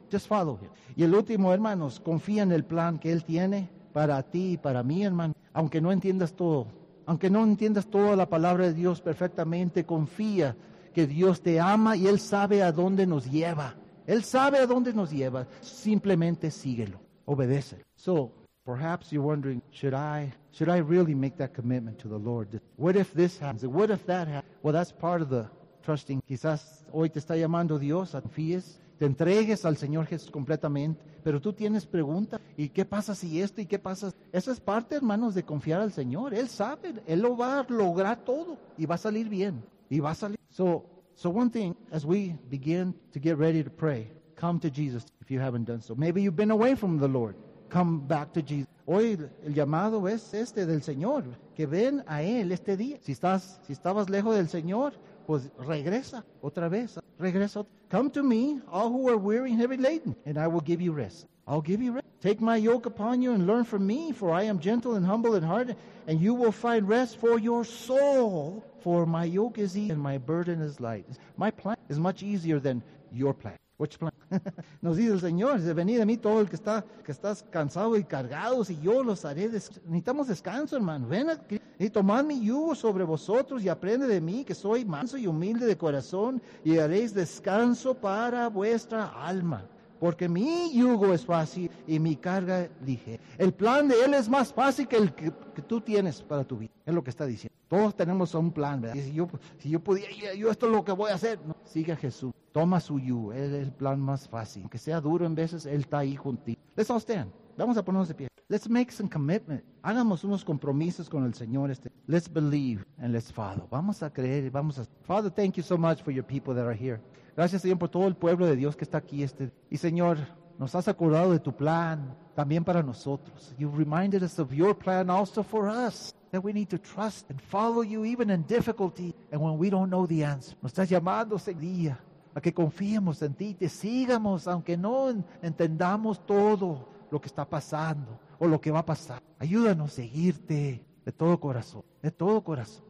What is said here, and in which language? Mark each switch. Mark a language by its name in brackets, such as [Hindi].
[English] Just follow him. [Spanish] Y el último, hermanos, confía en el plan que él tiene para ti y para mí, hermano. Aunque no entiendas todo, aunque no entiendas toda la palabra de Dios perfectamente, confía que Dios te ama y él sabe a dónde nos lleva. Él sabe a dónde nos lleva. Simplemente síguelo. Obedécelo. [English] So, perhaps you're wondering, should I really make that commitment to the Lord? What if this happens? What if that happens? Well, that's part of the trusting. [Spanish] Quizás hoy te está llamando Dios, confíes. Te entregues al Señor Jesús completamente, pero tú tienes preguntas, ¿y qué pasa si esto? ¿Y qué pasa? Eso es parte, hermanos, de confiar al Señor. Él sabe, él lo va a lograr todo y va a salir bien. Y va a salir. [English] So one thing, as we begin to get ready to pray, come to Jesus if you haven't done so. Maybe you've been away from the Lord. Come back to Jesus. [Spanish] Hoy el llamado es este del Señor, que ven a él este día. Si estabas lejos del Señor, pues regresa otra vez. Regresa. [English] Come to me, all who are weary and heavy laden, and I will give you rest. I'll give you rest. Take my yoke upon you and learn from me, for I am gentle and humble in heart, and you will find rest for your soul. For my yoke is easy and my burden is light. My plan is much easier than your plan. Which plan? [Spanish] Nos dice el Señor, dice, venid a mí todo el que estás cansado y cargado, y yo los haré descanso. Necesitamos descanso, hermano. Ven a Cristo y tomad mi yugo sobre vosotros y aprende de mí, que soy manso y humilde de corazón, y haréis descanso para vuestra alma. porque mi yugo es fácil y mi carga ligera. El plan de Él es más fácil que el que tú tienes para tu vida. Es lo que está diciendo. Todos tenemos un plan, ¿verdad? Y si yo pudiera, yo esto es lo que voy a hacer. No. Sigue a Jesús. Toma su yugo. Es el plan más fácil. Aunque sea duro en veces, Él está ahí contigo. [English] Let's all stand. [Spanish] Vamos a ponernos de pie. [English] Let's make some commitment. [Spanish] Hagamos unos compromisos con el Señor. [English] Let's believe and let's follow. [Spanish] Vamos a creer y vamos a... [English] Father, thank you so much for your people that are here. [Spanish] Gracias, Señor, por todo el pueblo de Dios que está aquí. Y, Señor, nos has acordado de tu plan también para nosotros. [English] You've reminded us of your plan also for us. That we need to trust and follow you even in difficulty and when we don't know the answer. [Spanish] Nos estás llamando ese día a que confiemos en ti, te sigamos aunque no entendamos todo lo que está pasando o lo que va a pasar. Ayúdanos a seguirte de todo corazón, de todo corazón.